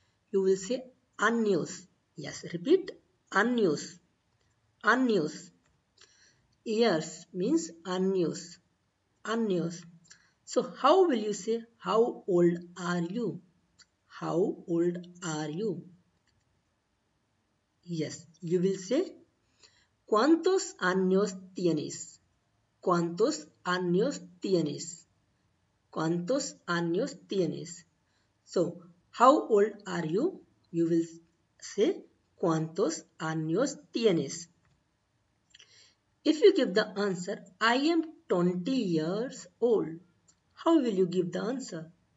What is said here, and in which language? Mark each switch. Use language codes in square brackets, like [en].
[en] You will say años. Yes, repeat. Años. Años. Ears means años. Años. So how will you say how old are you? How old are you? Yes, you will say [es] ¿cuántos años tienes? ¿Cuántos años tienes? ¿Cuántos años tienes? [en] So, how old are you? You will say, [es] ¿cuántos años tienes? [en] If you give the answer, I am 20 years old. How will you give the answer?